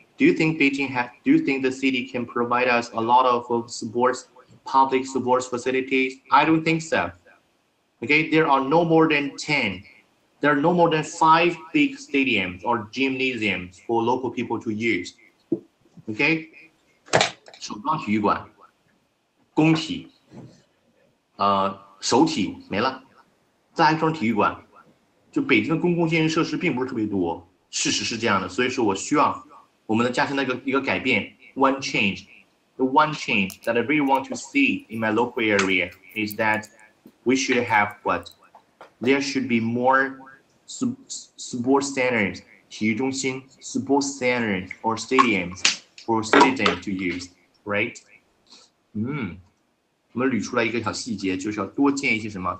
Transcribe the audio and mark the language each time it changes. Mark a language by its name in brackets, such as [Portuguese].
[English] Do you think the city can provide us a lot of sports, public sports facilities? I don't think so. Okay, there are no more than 10. There are no more than 5 big stadiums or gymnasiums for local people to use. Okay? [Chinese] 首钢体育馆、工体、首体没了。再安装体育馆，就北京的公共健身设施并不是特别多。事实是这样的，所以说我需要。我们的加上那个一个改变 [English] ，one change， the one change that I really want to see in my local area is that we should have what? There should be more sports centers, 体育中心 sports centers or stadiums for citizens to use, right? [Chinese] 嗯，我们捋出来一个小细节，就是要多建一些什么？